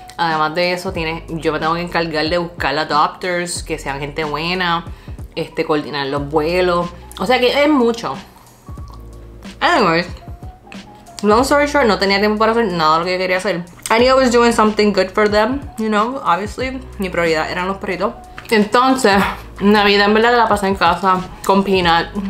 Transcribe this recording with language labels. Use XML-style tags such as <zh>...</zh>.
<es>Además de eso, yo me tengo que encargar de buscar adopters que sean gente buena, coordinar los vuelos. O sea que es mucho. Anyways,</es> <en>long story short,</en> <es>no tenía tiempo para hacer nada de lo que quería hacer.</es> <en>I knew I was doing something good for them, you know, obviously.</en> <es>Mi prioridad eran los perritos. Entonces, Navidad en verdad la pasé en casa con Peanut.</es>